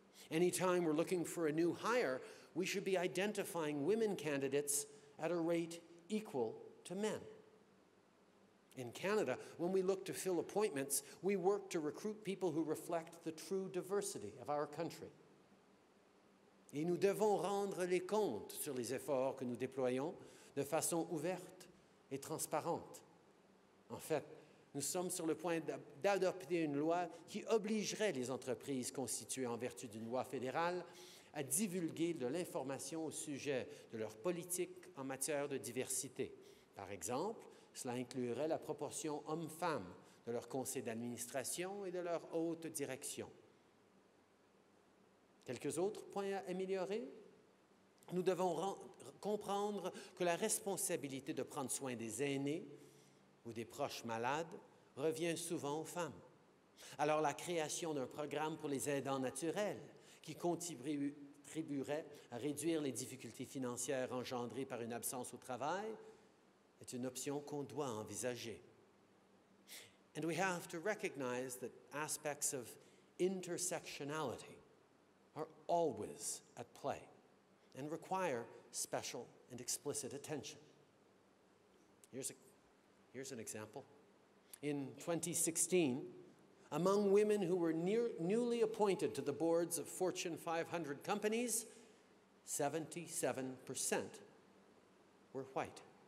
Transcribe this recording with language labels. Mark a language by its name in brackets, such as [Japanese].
[English] Anytime we're looking for a new hire, we should be identifying women candidates at a rate equal to men. In Canada, when we look to fill appointments, we work to recruit people who reflect the true diversity of our country. [French] Et nous devons rendre les comptes sur les efforts que nous déployons de façon ouverte et transparente. En fait, nous sommes sur le point d'adopter une loi qui obligerait les entreprises constituées en vertu d'une loi fédérale à divulguer de l'information au sujet de leur politique en matière de diversité. Par exemple, cela inclurait la proportion homme-femme de leur conseil d'administration et de leur haute direction. Quelques autres points à améliorer? Nous devons comprendre que la responsabilité de prendre soin des aînés ou des proches malades revient souvent aux femmes. Alors la création d'un programme pour les aidants naturels qui contribuerait à réduire les difficultés financières engendrées par une absence au travail est une option qu'on doit envisager. [English] And we have to recognize that aspects of intersectionality are always at play and require special and explicit attention. Here's an example. In 2016, among women who were newly appointed to the boards of Fortune 500 companies, 77% were white.